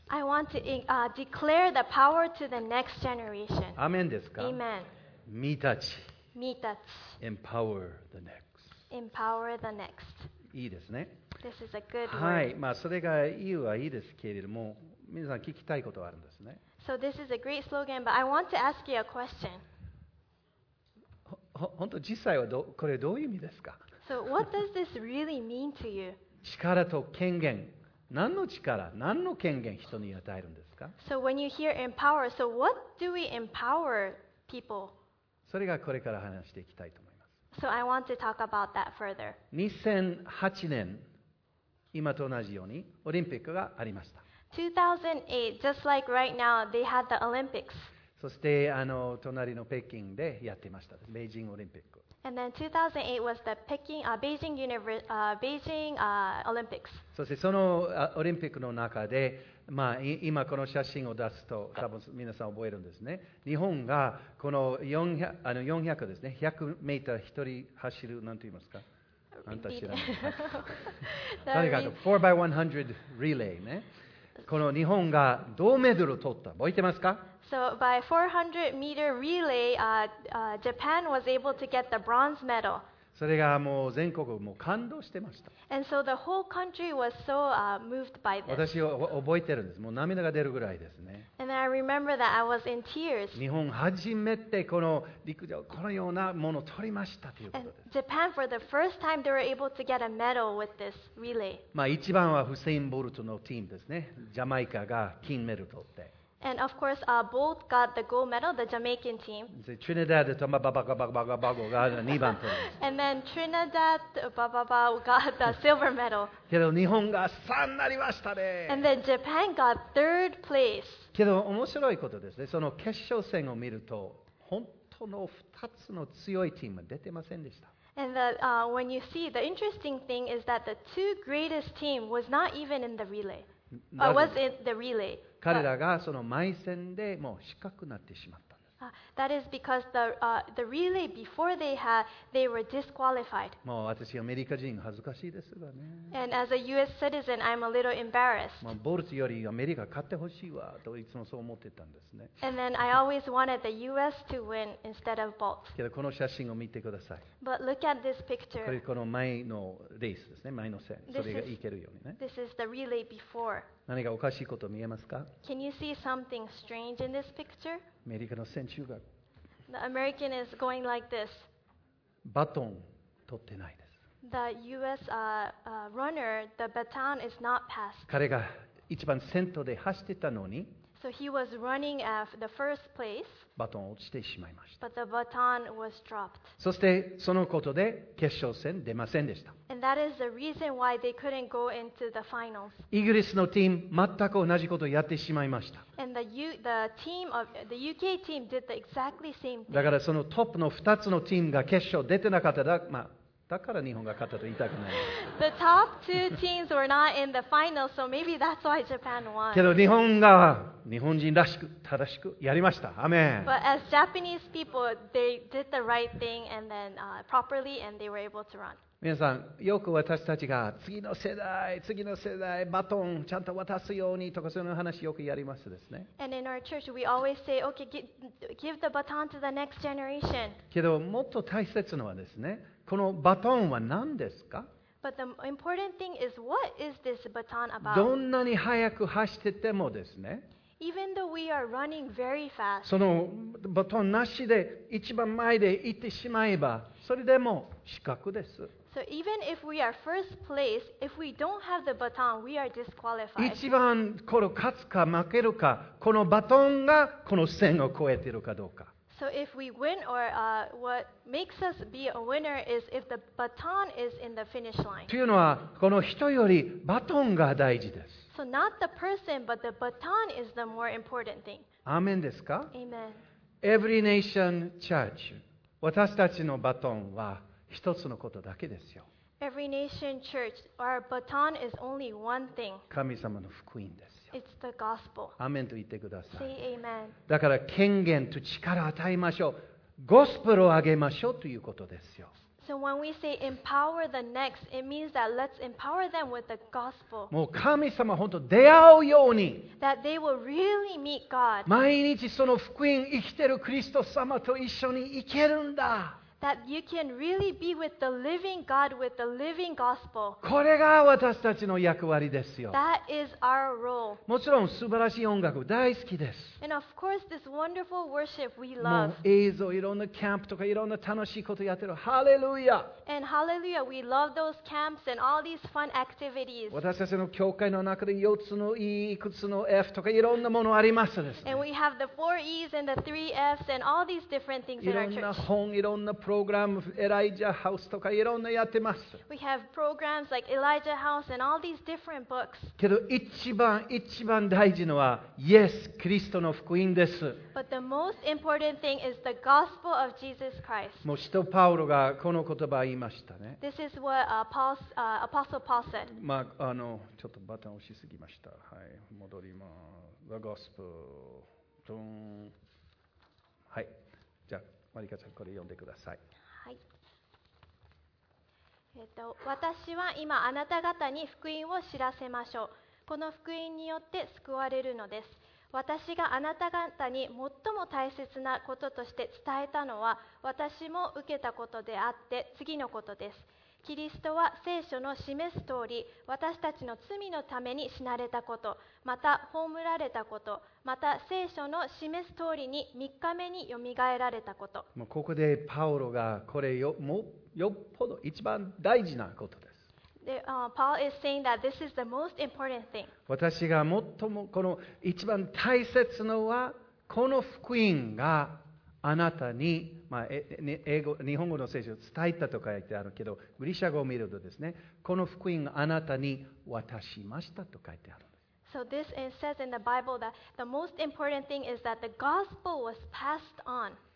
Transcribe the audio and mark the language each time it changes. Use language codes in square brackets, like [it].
[en] I want to declare the power to the next generation. [ja] アメンですか？ [en] Amen. [ja] みたち。みたち。 [en] Empower the next. Empower the next. [ja] いいですね。 [en] This is a good word. [ja] はい、まあそれが言うはいいですけれども、皆さん聞きたいことはあるんですね。 [en] So this is a great slogan, but I want to ask you a question. [ja] 本当実際はこれどういう意味ですか？ [en] So what does this really mean to you? [ja] 力と権限。何の力、何の権限人に与えるんですか？ [en] So when you hear empower, so what do we empower people? [ja] それがこれから話していきたいと思います。 [en] So I want to talk about that further. [ja] 2008年、今と同じようにオリンピックがありました。 [en] 2008, just like right now, they had the Olympics. [ja] そしてあの隣の北京でやってました。ベイジングオリンピック。 [en] And then 2008 was the Peking, Beijing, Beijing, Olympics. [ja] そしてそのオリンピックの中で、まあ、今この写真を出すと多分皆さん覚えるんですね。日本がこの 400ですね。100メーター一人走る、なんて言いますか？あんた知らない。誰かの [en] 4x100 relay [ja] ね。この日本が銅メダルを取った。覚えてますか？ [en] So by 400 meter relay, Japan was able to get the bronze medal. [ja] それがもう全国もう感動してました。 [en] And so the whole country was so moved by this. [ja] 私覚えてるんです。もう涙が出るぐらいですね。 [en] And I remember that I was in tears. [ja] 日本初めてこの陸上このようなものを取りましたということです。 [en] And Japan for the first time they were able to get a medal with this relay. [ja] まあ一番はフセインボルトのチームですね。ジャマイカが金メダル取って。 [en] And of course, Bolt got the gold medal, the Jamaican team. [ja] Trinidad Tobago が2番取りました。 [en] And then Trinidad Tobago got the silver medal. [ja] けど日本が3になりましたね。 [en] And then Japan got third place. [ja] けど面白いことですね。その決勝戦を見ると、本当の2つの強いチームは出てませんでした。 [en] And the, when you see, the interesting thing is that the two greatest team was not even in the relay. Or was in the relay. [ja] 彼らがその前線でもう失格になってしまったんです。 [en] That is because the relay before they had, they were disqualified. [ja] もう私アメリカ人恥ずかしいですがね。 [en] And as a US citizen, I'm a little embarrassed. [ja] もうボルトよりアメリカ勝ってほしいわといつもそう思ってたんですね。 [en] And then I always wanted the US to win instead of Bolt. [ja] けどこの写真を見てください。 [en] But look at this picture. [ja] これこの前のレースですね、前の線。それがいけるようにね。 [en] This is the relay before. [ja] 何かおかしいこと見えますか？ [en] Can you see something strange in this picture? [ja] アメリカの選手が。 [en] The American is going like this. [ja] バトン取ってないです。 [en] The US runner, the baton is not passed. [ja] 彼が一番先頭で走ってたのに。 [en] So he was running at the first place. [ja] バトン落ちてしまいました。 [en] But the baton was dropped. [ja] そしてそのことで決勝戦出ませんでした。 [en] And that is the reason why they couldn't go into the finals. [ja] イギリスのチーム全く同じことをやってしまいました。 [en] And the team of the UK team did the exactly same thing. [ja] だからそのトップの2つのチームが決勝出てなかったら、まあだから日本が勝ったと言いたくない。 [en] The top two teams were not in the finals, so maybe that's why Japan won. [ja] けど日本が日本人らしく正しくやりました。アメン。 [en] But as Japanese people, they did the right thing and then properly, and they were able to run. [ja] 皆さんよく私たちが次の世代バトンちゃんと渡すようにとかそういう話よくやりますですね。 [en] And in our church, we always say, okay, give the baton to the next generation. [ja] けどもっと大切のはですね。このバトンは何ですか？ [en] But the important thing is, what is this baton about? [ja] どんなに速く走っててもですね。 [en] Even though we are running very fast. [ja] そのバトンなしで一番前で行ってしまえば、それでも失格です。 [en] So even if we are first place, if we don't have the baton, we are disqualified. [ja] 一番この勝つか負けるか、このバトンがこの線を越えてるかどうか。 [en] So if we win or what makes us be a winner is if the baton is in the finish line. [ja] というのはこの人よりバトンが大事です。 [en] So not the person but the baton is the more important thing. [ja] アーメンですか？ [en] Amen. [ja] Every nation church. 私たちのバトンは一つのことだけですよ。 [en] Every nation church, our baton is only one thing. [ja] 神様の福音ですよ。 [en] It's the gospel. [ja] アメンと言ってください。 [en] Say amen. [ja] だから権限と力を与えましょう。ゴスペルをあげましょうということですよ。 [en] So when we say empower the next, it means that let's empower them with the gospel. [ja] もう神様本当出会うように。 [en] That they will really meet God. [ja] 毎日その福音生きてるクリスト様と一緒に行けるんだ。 [en] That you can really be with the living God with the living gospel. [ja] これが私たちの役割ですよ。 [en] That is our role. [ja] もちろん素晴らしい音楽大好きです。 [en] And of course, this wonderful worship we love. [ja] もう映像、いろんなキャンプとかいろんな楽しいことやってる。ハレルヤ。 [en] And hallelujah, we love those camps and all these fun activities. [ja] 私たちの教会の中で4つの E、いくつの F とかいろんなものありますですね。 [en] And we have the 4 E's and the 3 F's and all these different things in our church. [ja] いろんな本、いろんなプログラム、エライジャーハウスとかいろんなやってます。 [en] We have programs like Elijah House and all these different books. [ja] けど一番大事のは、イエス・キリストの福音です。 [en] But the most important thing is the gospel of Jesus Christ. [ja] もう使徒パウロがこの言葉を言いましたね。 [en] This is what Apostle Paul said. [ja] まあ、ちょっとバタン押しすぎました。はい、戻ります。 [en] The gospel. [ja] ドーン。はい。マリカちゃんこれ読んでください、はい私は今あなた方に福音を知らせましょう。この福音によって救われるのです。私があなた方に最も大切なこととして伝えたのは私も受けたことであって次のことです。キリストは聖書の示す通り私たちの罪のために死なれたこと、また葬られたこと、また聖書の示す通りに3日目によみがえられたこと。もうここでパウロがこれ よっぽど一番大事なことです。 [en] で、Paul is saying that this is the most important thing. [ja] 私が最もこの一番大切のはこの福音があなたに、まあ、英語日本語の聖書を伝えたと書いてあるけど、ギリシャ語を見るとですね、この福音があなたに渡しましたと書いてある。 [en] So this says in the Bible that the most important thing is that the gospel was passed on.